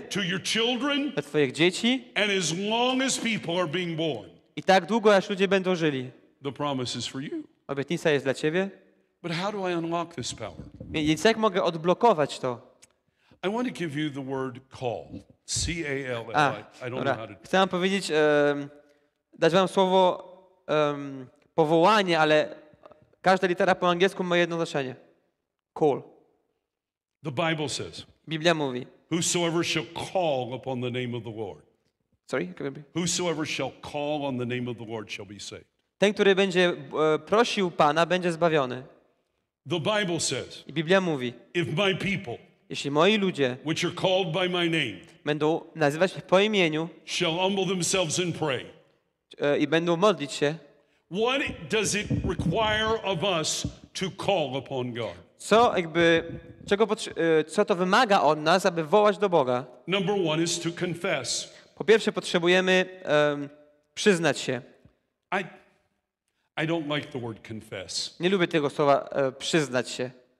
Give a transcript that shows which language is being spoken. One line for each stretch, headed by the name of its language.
English: to your children,
Polish: dla twoich dzieci,
English: and as long as people are being born.
Polish: I tak długo, aż ludzie będą żyli.
English: The promise is for you.
Polish: Obietnica jest dla ciebie.
English: But how do I unlock this power?
Polish: Więc jak mogę odblokować to?
English: I want to give you the word call. C-A-L-L.
Polish: Chcę wam powiedzieć, dać wam słowo powołanie, ale każda litera po angielsku ma jedno znaczenie.
English: Call. The Bible says.
Polish: Biblia mówi.
English: Whosoever shall call upon the name of the Lord. Sorry, whosoever shall call on the name of the Lord shall be saved.
Polish: Ten, który będzie prosił Pana, będzie zbawiony.
English: The Bible says.
Polish: Biblia mówi.
English: If my people,
Polish: jeśli moi ludzie,
English: which are called by my name,
Polish: będą nazywać się po imieniu,
English: shall humble themselves and pray,
Polish: i będą modlić się.
English: What does it require of us to call upon God?
Polish: Co jakby co to wymaga od nas, aby wołać do Boga?
English: Number one is to confess.
Polish: Po pierwsze potrzebujemy przyznać się.
English: I don't like the word confess.
Polish: Nie lubię tego słowa przyznać się.